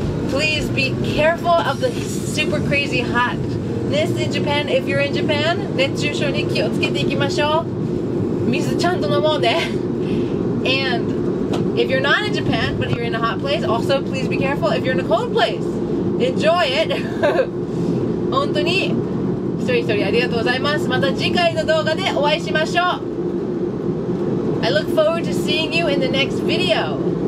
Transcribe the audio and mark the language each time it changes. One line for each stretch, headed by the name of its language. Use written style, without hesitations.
English: Please be careful of the super crazy hotness in Japan. If you're in Japan,
Japanese: 熱中症に気をつけていきましょう。水ちゃんと飲もうね。
English: And if you're not in Japan, but you're in a hot place, also please be careful if you're in a cold place. Enjoy it.
Japanese: 本当に。一人一人ありがとうございます。また次回の動画でお会いしましょう。
English: I look forward to seeing you in the next video.